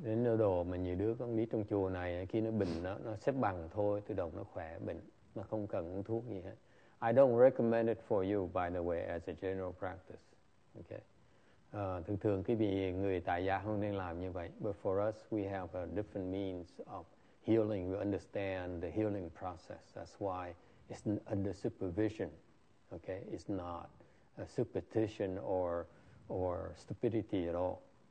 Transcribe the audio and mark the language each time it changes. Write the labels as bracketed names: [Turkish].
[Vietnamese] Đến nơi đồ mà nhiều đứa con nít trong chùa này khi nó bình nó xếp bằng thôi, tự động nó khỏe bình, mà không cần uống thuốc gì hết. [English] I don't recommend it for you, by the way, as a general practice. Okay. [Vietnamese] Thường thường cái vì người tại gia không nên làm như vậy. [English] But for us, we have a different means of healing. We understand the healing process. That's why it's under supervision. Okay. It's not a superstition or stupidity at all.